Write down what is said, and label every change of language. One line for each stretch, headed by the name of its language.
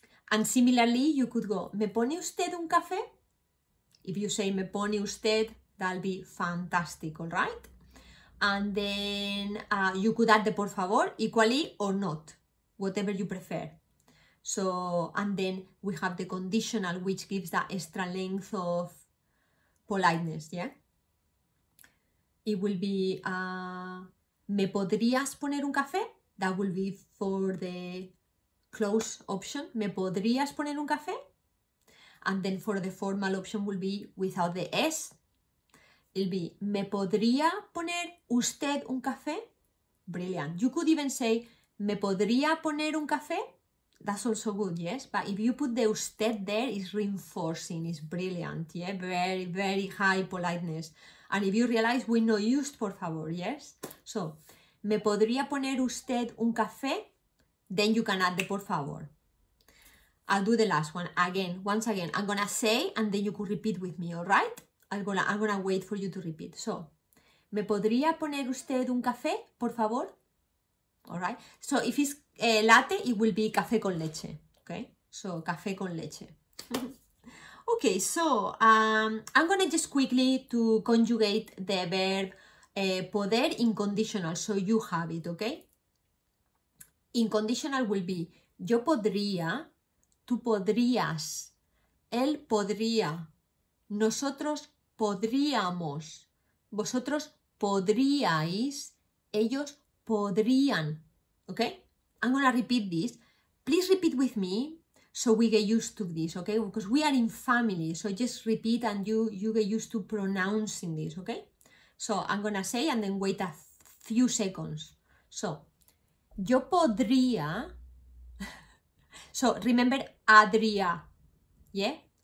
English: And similarly, you could go, ¿me pone usted un café? If you say me pone usted, that'll be fantastic, all right? And then you could add the por favor, equally or not, whatever you prefer. So, and then we have the conditional, which gives that extra length of politeness, yeah?
Spanish: It will be, ¿me podrías poner un café?
English: That will be for the close option. ¿Me podrías poner un café? And then for the formal option will be without the S.
Spanish: It'll be, ¿me podría poner usted un café?
English: Brilliant. You could even say, ¿me podría poner un café? That's also good, yes? But if you put the usted there, it's reinforcing, it's brilliant, yeah? Very, very high politeness. And if you realize, we no used por favor, yes?
Spanish: So, ¿me podría poner usted un café?
English: Then you can add the por favor. I'll do the last one again, once again. I'm gonna say, and then you could repeat with me, all right? I'm gonna wait for you to repeat.
Spanish: So, ¿me podría poner usted un café, por favor?
English: All right? So, if it's latte, it will be café con leche, okay?
Spanish: So, café con leche.
English: Okay, so I'm gonna just quickly to conjugate the verb poder in conditional, so you have it, okay?
Spanish: In conditional will be yo podría, tú podrías, él podría, nosotros podríamos, vosotros podríais, ellos podrían, okay?
English: I'm gonna repeat this. Please repeat with me. So we get used to this, okay? Because we are in family, so just repeat and you get used to pronouncing this, okay? So I'm gonna say and then wait a few seconds. So, yo podría, so remember adria, yeah?